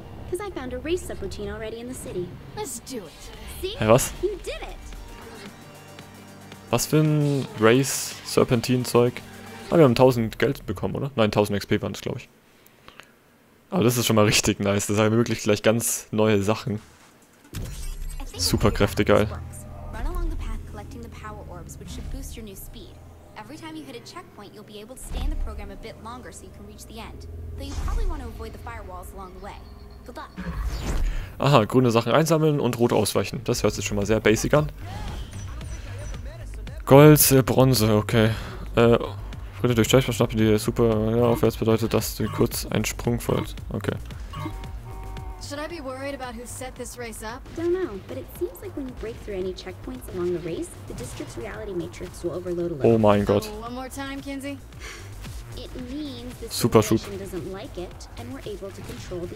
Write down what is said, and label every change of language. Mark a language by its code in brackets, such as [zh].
[en] Because I found a race subroutine already in the city. Let's do it. See? [de] Was? [en] You did it. [de] Was für ein Race Serpentine Zeug? Ah, wir haben 1000 Geld bekommen, oder? Nein, 1000 XP waren es, glaube ich. Aber das ist schon mal richtig nice. Das ermöglicht gleich ganz neue Sachen. Superkräfte, geil. [en] Run along the path collecting the power orbs, which should boost your new speed. Every time you hit a checkpoint, you'll be able to stay in the program a bit longer, so you can reach the end. Though you probably want to avoid the firewalls along the way. Good luck. [de] Aha, grüne Sachen einsammeln und rot ausweichen. Das hört sich schon mal sehr basic an. Gold, Bronze, okay. Friede durch Schleichverschnappe, die super aufwärts bedeutet, dass du kurz einen Sprung folgst. Okay. [en] Should I be worried about who set this race up? Don't know, but it seems like when you break through any checkpoints along the race, the district's reality matrix will overload a little. [de] Oh mein Gott. [en] So, one more time, Kinsey. It means the simulation doesn't like it, and we're able to control the.